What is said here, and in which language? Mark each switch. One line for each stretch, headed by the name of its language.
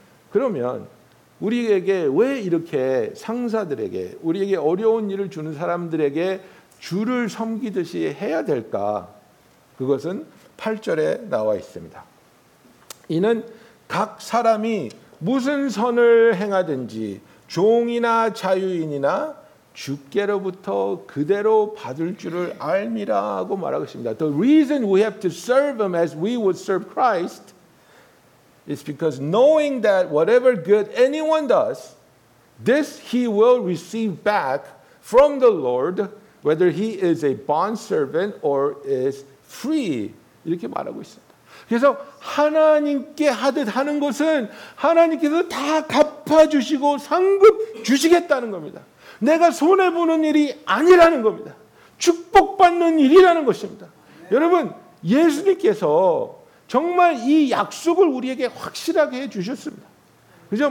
Korean: 그러면 우리에게 왜 이렇게 상사들에게 우리에게 어려운 일을 주는 사람들에게 주를 섬기듯이 해야 될까? 그것은 8절에 나와 있습니다. 이는 각 사람이 무슨 선을 행하든지 종이나 자유인이나 주께로부터 그대로 받을 줄을 알미라고 말하고 있습니다.
English: The reason we have to serve him as we would serve Christ is because knowing that whatever good anyone does, this he will receive back from the Lord, whether he is a bondservant or is free.
Korean: 이렇게 말하고 있습니다. 그래서 하나님께 하듯 하는 것은 하나님께서 다 갚아주시고 상급 주시겠다는 겁니다. 내가 손해보는 일이 아니라는 겁니다. 축복받는 일이라는 것입니다. 여러분 예수님께서 정말 이 약속을 우리에게 확실하게 해주셨습니다. 그죠?